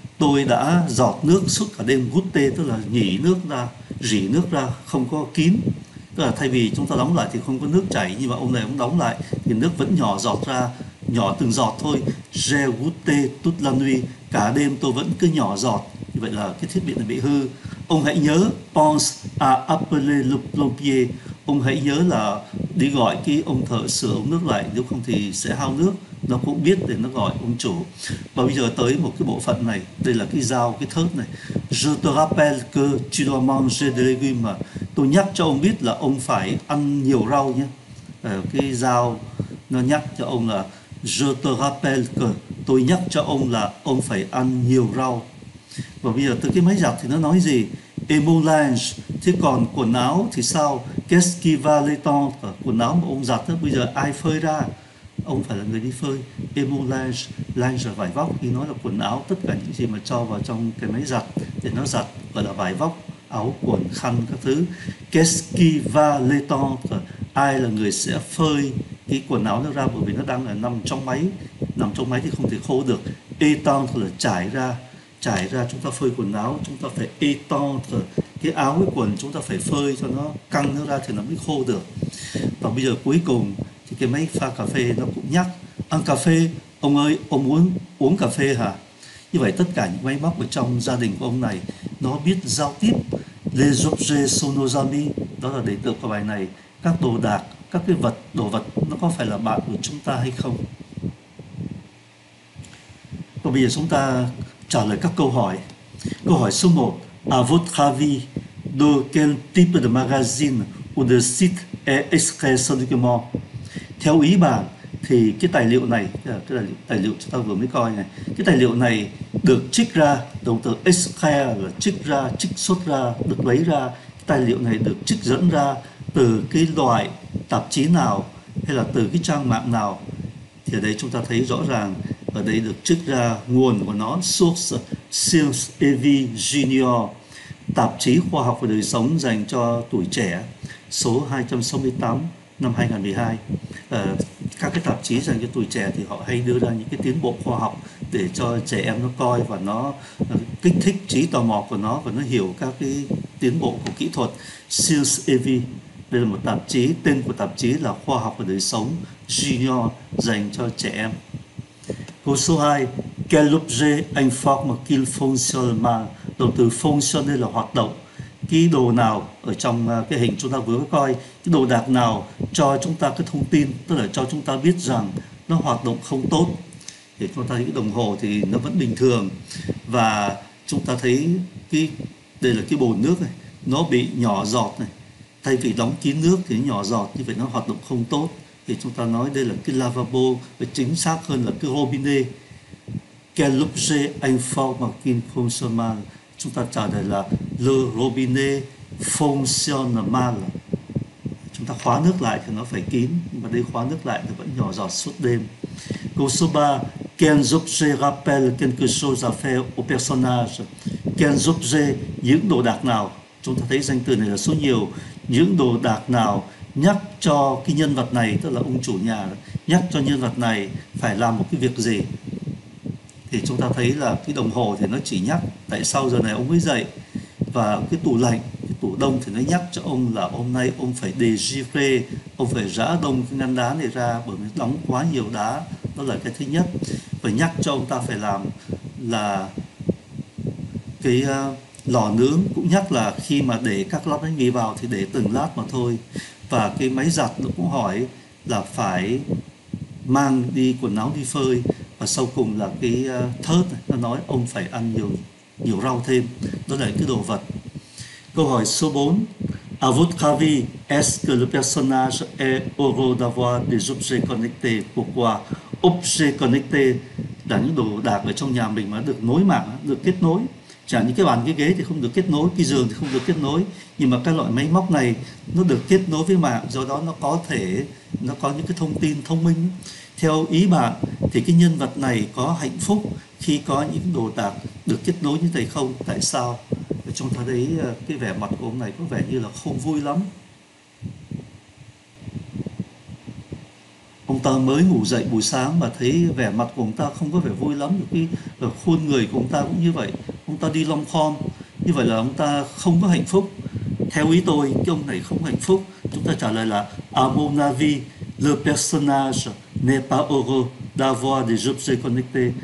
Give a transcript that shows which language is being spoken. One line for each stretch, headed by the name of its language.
Vietnamese: Tôi đã giọt nước suốt cả đêm. Goûté tức là nhỉ nước ra, rỉ nước ra, không có kín. Tức là thay vì chúng ta đóng lại thì không có nước chảy, nhưng mà ông này cũng đóng lại thì nước vẫn nhỏ giọt ra, nhỏ từng giọt thôi.
French: J'ai goûté toute la nuit,
Vietnamese: cả đêm tôi vẫn cứ nhỏ giọt. Như vậy là cái thiết bị này bị hư. Ông hãy nhớ,
French: pense à appeler le plombier.
Vietnamese: Ông hãy nhớ là đi gọi cái ông thợ sửa ống nước lại, nếu không thì sẽ hao nước. Nó cũng biết để nó gọi ông chủ. Và bây giờ tới một cái bộ phận này, đây là cái dao, cái thớt này.
French: Je te rappelle que tu dois manger des légumes.
Vietnamese: Tôi nhắc cho ông biết là ông phải ăn nhiều rau nhé. Cái dao nó nhắc cho ông là
French: je te rappelle que,
Vietnamese: tôi nhắc cho ông là ông phải ăn nhiều rau. Và bây giờ từ cái máy giặt thì nó nói gì?
French: Et mon linge,
Vietnamese: thế còn quần áo thì sao?
French: Qu'est-ce qui va l'étendre?
Vietnamese: Quần áo mà ông giặt đó, bây giờ ai phơi ra? Ông phải là người đi phơi.
French: Et mon linge,
Vietnamese: linge là vải vóc, ý nói là quần áo, tất cả những gì mà cho vào trong cái máy giặt để nó giặt, gọi là vải vóc, áo quần khăn các thứ.
French: Qu'est-ce qui va l'étendre?
Vietnamese: Ai là người sẽ phơi cái quần áo nó ra, bởi vì nó đang nằm trong máy, nằm trong máy thì không thể khô được. Étendre là trải ra. Trải ra, chúng ta phơi quần áo, chúng ta phải étendre cái áo, cái quần chúng ta phải phơi cho nó căng nó ra thì nó mới khô được. Và bây giờ cuối cùng thì cái máy pha cà phê nó cũng nhắc, ăn cà phê, ông ơi, ông muốn uống cà phê hả? Như vậy tất cả những máy móc ở trong gia đình của ông này, nó biết giao tiếp.
French: Les objets sont nos amis,
Vietnamese: đó là đề tựa của bài này. Các đồ đạc, các cái vật, đồ vật nó có phải là bạn của chúng ta hay không? Và bây giờ chúng ta trả lời các câu hỏi. Câu hỏi số 1.
French: À votre avis, de quel type de magazine ou de site est extrait ce document?
Vietnamese: Theo ý bạn thì cái tài liệu này, cái tài liệu chúng ta vừa mới coi này, cái tài liệu này được trích ra, động từ extrait là trích ra, trích xuất ra, được lấy ra. Cái tài liệu này được trích dẫn ra từ cái loại tạp chí nào hay là từ cái trang mạng nào? Thì ở đây chúng ta thấy rõ ràng, ở đây được trích ra nguồn của nó, source Science et Vie Junior, tạp chí khoa học và đời sống dành cho tuổi trẻ, số 268 năm 2012. Các cái tạp chí dành cho tuổi trẻ thì họ hay đưa ra những cái tiến bộ khoa học để cho trẻ em nó coi và nó kích thích trí tò mò của nó và nó hiểu các cái tiến bộ của kỹ thuật. Science et Vie, đây là một tạp chí, tên của tạp chí là khoa học và đời sống Junior dành cho trẻ em. Câu số 2,
French: quel objet informe qu'il fonctionne?
Vietnamese: Động từ fonctionner là hoạt động. Cái đồ nào ở trong cái hình chúng ta vừa coi, cái đồ đạc nào cho chúng ta cái thông tin, tức là cho chúng ta biết rằng nó hoạt động không tốt. Thì chúng ta thấy cái đồng hồ thì nó vẫn bình thường. Và chúng ta thấy cái, đây là cái bồn nước này, nó bị nhỏ giọt này. Thay vì đóng kín nước thì nhỏ giọt, như vậy nó hoạt động không tốt. Thì chúng ta nói đây là cái lavabo, và chính xác hơn là cái robinet.
French: Quel objet informe qu'il fonctionne mal?
Vietnamese: Chúng ta trả lời là
French: le robinet fonctionne mal.
Vietnamese: Chúng ta khóa nước lại thì nó phải kín, mà đây khóa nước lại thì vẫn nhỏ giọt suốt đêm. Câu số 3,
French: quel objet rappelle quelque chose à faire au personnage? Quel objet,
Vietnamese: những đồ đạc nào? Chúng ta thấy danh từ này là số nhiều. Những đồ đạc nào nhắc cho cái nhân vật này, tức là ông chủ nhà, nhắc cho nhân vật này phải làm một cái việc gì? Thì chúng ta thấy là cái đồng hồ thì nó chỉ nhắc tại sao giờ này ông mới dậy. Và cái tủ lạnh, cái tủ đông thì nó nhắc cho ông là hôm nay ông phải dégiver, ông phải rã đông cái ngăn đá này ra, bởi vì đóng quá nhiều đá. Đó là cái thứ nhất. Và nhắc cho ông ta phải làm là cái lò nướng, cũng nhắc là khi mà để các lát bánh mì vào thì để từng lát mà thôi. Và cái máy giặt nó cũng hỏi là phải mang đi quần áo đi phơi. Và sau cùng là cái thớt này, nó nói ông phải ăn nhiều rau thêm. Đó là cái đồ vật. Câu hỏi số 4,
French: À votre avis, est-ce que le personnage est heureux d'avoir des objets connectés? Pourquoi?
Vietnamese: Objets connectés là những đồ đạc ở trong nhà mình mà được nối mạng, được kết nối. Chẳng những cái bàn, cái ghế thì không được kết nối, cái giường thì không được kết nối. Nhưng mà cái loại máy móc này nó được kết nối với mạng, do đó nó có thể, nó có những cái thông tin thông minh. Theo ý bạn thì cái nhân vật này có hạnh phúc khi có những đồ đạc được kết nối như thế không? Tại sao? Chúng ta thấy cái vẻ mặt của ông này có vẻ như là không vui lắm. Ông ta mới ngủ dậy buổi sáng mà thấy vẻ mặt của ông ta không có vẻ vui lắm. Cái khuôn người của ông ta cũng như vậy. Ông ta đi long khom. Như vậy là ông ta không có hạnh phúc. Theo ý tôi, cái ông này không hạnh phúc. Chúng ta trả lời là
French: à mon avis, le personnage n'est pas heureux d'avoir des objets connectés.